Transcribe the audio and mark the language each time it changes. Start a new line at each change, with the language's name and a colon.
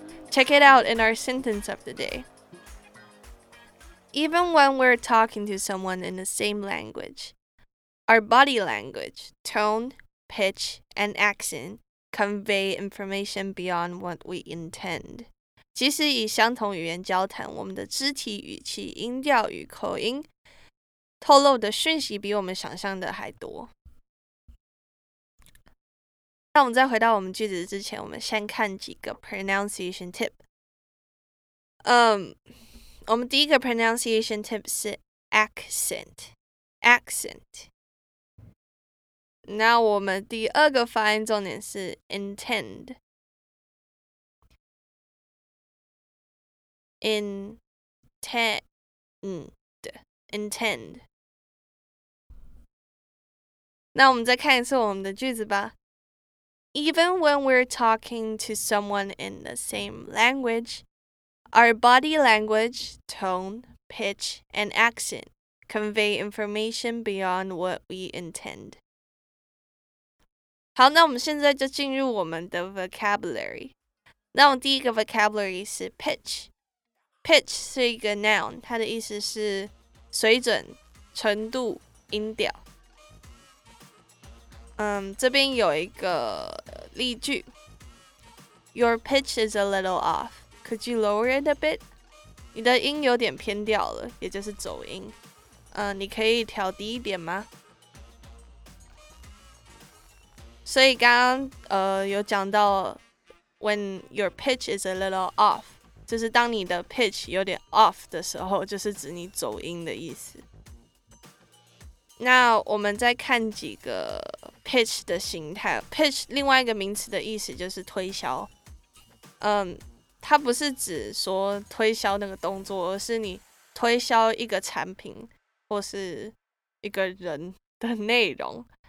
English: Check it out in our sentence of the day. Even when we're talking to someone in the same language, our body language, tone, pitch, and accent convey information beyond what we intend.
Chinese: 其实以相同语言交谈，我们的肢体语气、音调与口音透露的讯息比我们想象的还多。那我们再回到我们句子之前，我们先看几个 pronunciation tip。我们第一个 pronunciation tip 是 accent。那我们第二个发音重点是 intend。 intend。那我们再看一次我们的句子吧。
English: Even when we're talking to someone in the same language, our body language, tone, pitch, and accent convey information beyond what we intend.
Chinese: 好，那我们现在就进入我们的 vocabulary。那我们第一个 vocabulary 是 pitch。 Pitch 是一个 noun， 它的意思是水准、程度、音调。这边有一个例句
English: ：Your pitch is a little off. Could you lower it a bit？
Chinese: 你的音有点偏调了，也就是走音。你可以调低一点吗？所以刚有讲到
English: ，when your pitch is a little off。
Chinese: 就是当你的 pitch 有点 off 的时候，就是指你走音的意思。那我们再看几个 pitch 的形态。 pitch 另外一个名词的意思就是推销。它不是指说推销那个动作，而是你推销一个产品或是一个人的内容。